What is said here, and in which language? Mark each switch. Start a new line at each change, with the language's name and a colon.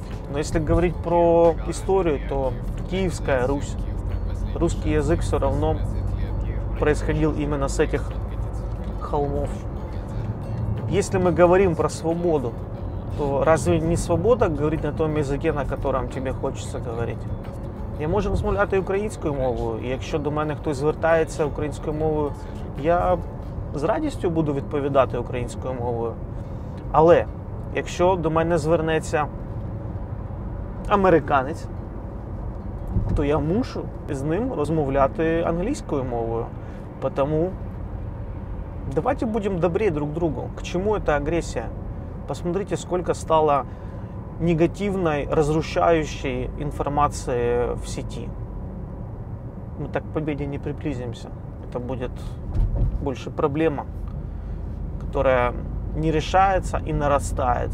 Russian: Но если говорить про историю, то Киевская Русь, русский язык все равно происходил именно с этих холмов. Если мы говорим про свободу, то разве не свобода говорить на том языке, на котором тебе хочется говорить?
Ukrainian: Я можу розмовляти українською мовою, і якщо до мене хтось звертається українською мовою, я з радістю буду відповідати українською мовою. Але якщо до мене звернеться американець, то я мушу з ним розмовляти англійською мовою. Тому давайте будемо добрі друг другу. К чому ця агресія?
Russian: Посмотрите,
Ukrainian: скільки стало
Russian: негативной, разрушающей информации в сети. Мы так к победе не приблизимся. Это будет больше проблема, которая не решается и нарастает.